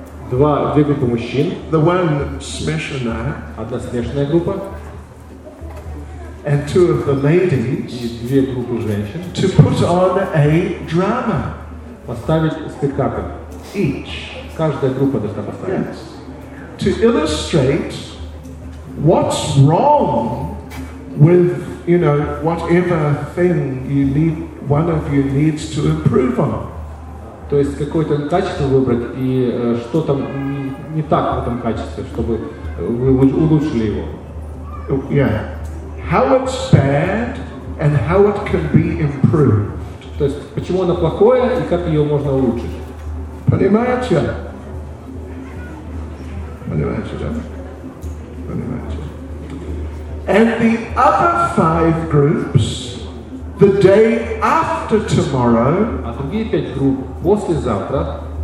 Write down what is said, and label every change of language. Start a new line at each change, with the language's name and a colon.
Russian: Два, две группы мужчин.
English: The one smashing.
Russian: Одна смешанная группа.
English: And two of the ladies.
Russian: И две группы женщин.
English: To put on a drama.
Russian: Поставить спектакль.
English: Each.
Russian: Каждая группа должна поставить.
English: Yes. To illustrate what's wrong with, you know, whatever thing you need, one of you needs to improve on.
Russian: То есть какое-то качество выбрать и что там не так в этом качестве, чтобы вы улучшили его.
English: Yeah. How it's bad and how it can be improved.
Russian: То есть почему оно плохое и как ее можно улучшить. Понимаете? Понимаете?
English: And the other five groups, the day after tomorrow.
Russian: А другие пять групп послезавтра.